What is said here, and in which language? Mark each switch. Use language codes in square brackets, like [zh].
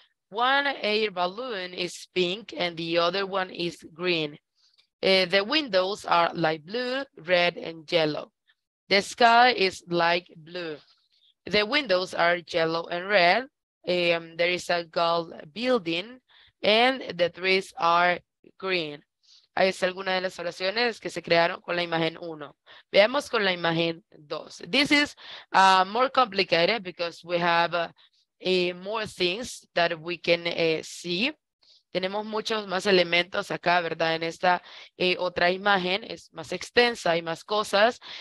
[en] One air balloon is pink and the other one is green. The windows are light blue, red, and yellow. The sky is light blue. The windows are yellow and red. There is a gold building and the trees are green. [es] Ahí es alguna de las oraciones que se crearon con la imagen 1. Veamos con la imagen 2. [en] This is more complicated because we have more things that we can see. [es] Tenemos muchos más elementos acá, ¿verdad? En esta otra imagen es más extensa, hay más cosas.